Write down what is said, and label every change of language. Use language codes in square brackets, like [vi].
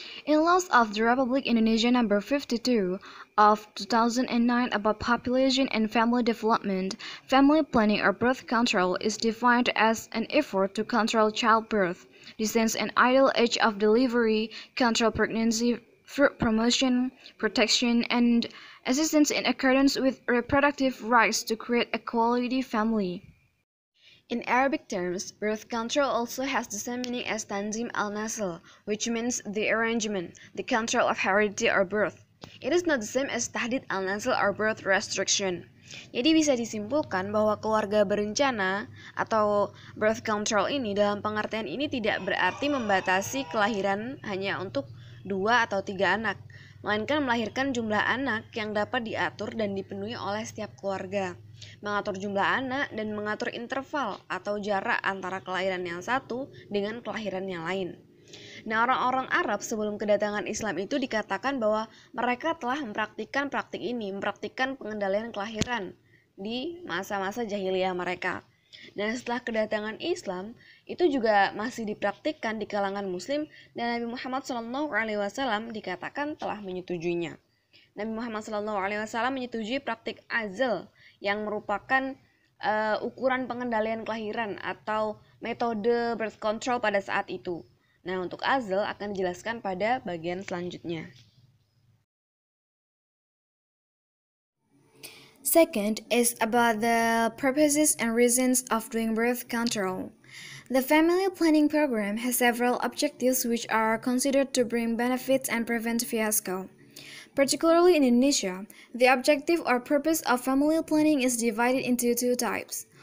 [en] In laws of the Republic Indonesia No. 52 of 2009 about population and family development, family planning or birth control is defined as an effort to control childbirth, descent and ideal age of delivery, control pregnancy, fruit promotion, protection, and assistance in accordance with reproductive rights to create a quality family. In Arabic terms, birth control also has the same meaning as Tanzim al-Nasl, which means the arrangement, the control of heredity or birth. It is not the same as Tahdid al-Nasl or birth restriction. [id] Jadi bisa disimpulkan bahwa keluarga berencana atau birth control ini dalam pengertian ini tidak berarti membatasi kelahiran hanya untuk 2 atau 3 anak, melainkan melahirkan jumlah anak yang dapat diatur dan dipenuhi oleh setiap keluarga. Mengatur jumlah anak dan mengatur interval atau jarak antara kelahiran yang satu dengan kelahiran yang lain. Nah, orang-orang Arab sebelum kedatangan Islam itu dikatakan bahwa mereka telah mempraktikkan praktik ini, mempraktikkan pengendalian kelahiran di masa-masa jahiliyah mereka. Dan setelah kedatangan Islam, itu juga masih dipraktikkan di kalangan Muslim dan Nabi Muhammad SAW dikatakan telah menyetujuinya. Nabi Muhammad SAW menyetujui praktik azal yang merupakan ukuran pengendalian kelahiran atau metode birth control pada saat itu. Nah, untuk azal akan dijelaskan pada bagian selanjutnya. [en] Second is about the purposes and reasons of doing birth control. The family planning program has several objectives which are considered to bring benefits and prevent fiasco. Particularly in Indonesia, the objective or purpose of family planning is divided into two types.